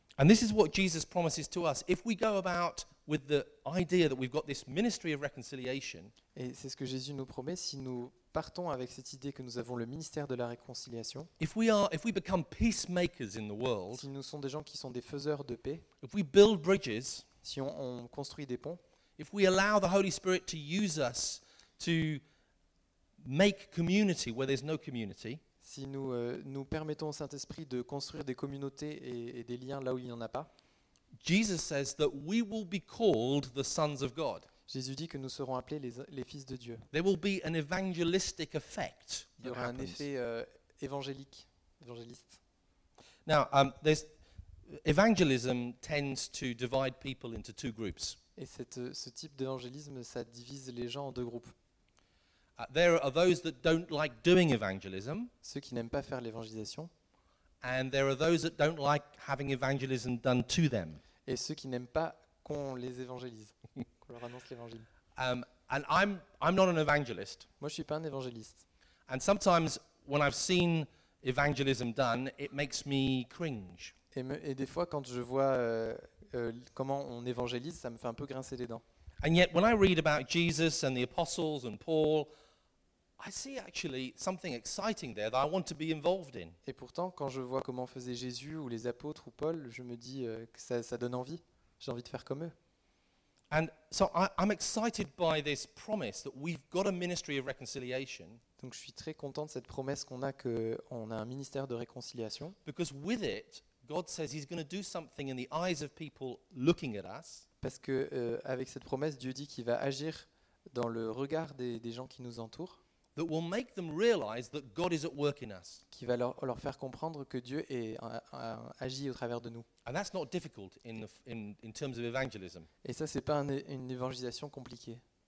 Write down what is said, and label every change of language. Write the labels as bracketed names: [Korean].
[English] And this is what Jesus promises to us. If we go about with the idea that we've got this ministry of reconciliation, [French] et c'est ce que Jésus nous promet, si nous partons avec cette idée que nous avons le ministère de la réconciliation, [English] if we become peacemakers in the world, [French] si nous sommes des gens qui sont des faiseurs de paix, [English] if we build bridges, [French] si on construit des ponts, [English] if we allow the Holy Spirit to use us to make community where there's no community, [French] si nous nous permettons au Saint-Esprit de construire des communautés et des liens là où il n'y en a pas, [English] Jesus says that we will be called the sons of God. [French] Jésus dit que nous serons appelés les fils de Dieu. [English] There will be an evangelistic effect. [French] Il y aura un effet évangéliste. [English] Now, there's evangelism tends to divide people into two groups. [French] Et ce type d'évangélisme, ça divise les gens en deux groupes. [English] There are those that don't like doing evangelism. [French] Ceux qui n'aiment pas faire l'évangélisation. [English] And there are those that don't like having evangelism done to them. [French] Et ceux qui n'aiment pas qu'on les évangélise, qu'on leur annonce l'évangile. [English] And I'm not an evangelist. [French] Moi, je suis pas un évangéliste. [English] And sometimes when I've seen evangelism done, it makes me cringe. [French] Et des fois, quand je vois comment on évangélise, ça me fait un peu grincer des dents. [English] And yet, when I read about Jesus and the apostles and Paul, I see actually something exciting there that I want to be involved in. [French] Et pourtant, quand je vois comment faisait Jésus ou les apôtres ou Paul, je me dis que ça donne envie. J'ai envie de faire comme eux. [English] And so I'm excited by this promise that we've got a ministry of reconciliation. [French] Donc je suis très content de cette promesse qu'on a que on a un ministère de réconciliation. [English] Because with it, God says He's going to do something in the eyes of people looking at us. [French] Parce que avec cette promesse, Dieu dit qu'il va agir dans le regard des gens qui nous entourent. [English] That will make them realize that God is at work in us. [French] Qui va leur faire comprendre que Dieu est agit au travers de nous. [English] And that's not difficult in terms of evangelism. [French] Et ça, c'est pas une évangélisation compliquée.